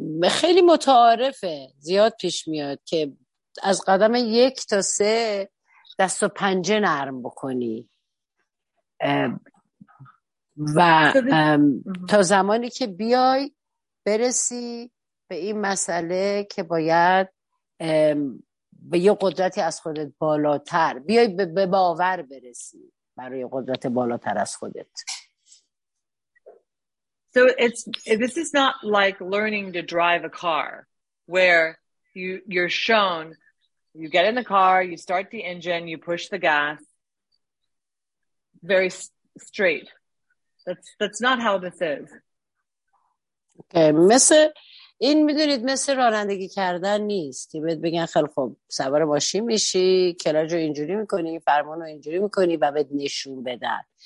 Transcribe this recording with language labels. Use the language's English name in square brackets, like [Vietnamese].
[Persian] خیلی متعارفه، زیاد پیش میاد که از قدم 1 تا 3 دست و پنجه نرم بکنی و تا زمانی که بیای برسی به این مسئله که باید به یه قدرتی از خودت بالاتر بیای، به باور برسی برای قدرت بالاتر از خودت. [English] So this is not like learning to drive a car where you're shown, you get in the car, you start the engine, you push the gas very straight. That's not how this is. [Persian] Okay, مثل این میدونید مثل رانندگی کردن نیست که بهت بگن خیلی خوب سوار ماشین میشی، کلاج رو اینجوری میکنی، فرمان رو اینجوری میکنی و بهت نشون بدن.